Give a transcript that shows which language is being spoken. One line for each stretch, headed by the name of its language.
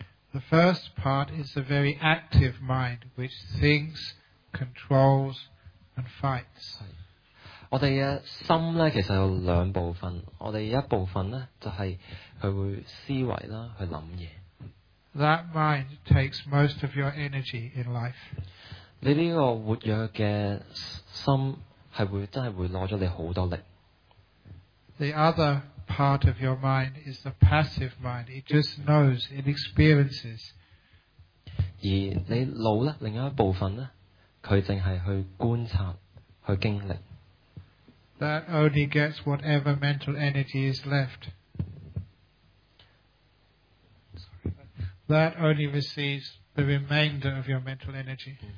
English: The first part is a very active mind, which thinks, controls, and fights.
Cantonese: 我哋嘅心咧，其實有兩部分。我哋一部分咧，就係佢會思維啦，去諗嘢。
English: That mind takes most of your energy in life.
Cantonese: 你呢個活躍嘅心係會真係會攞咗你好多力。
English: The other part of your mind is the passive mind. It just knows, it experiences.
Cantonese: 而你腦咧，另一部分咧，佢淨係去觀察，去經歷。
English: That only gets whatever mental energy is left. That only receives the remainder of your mental energy.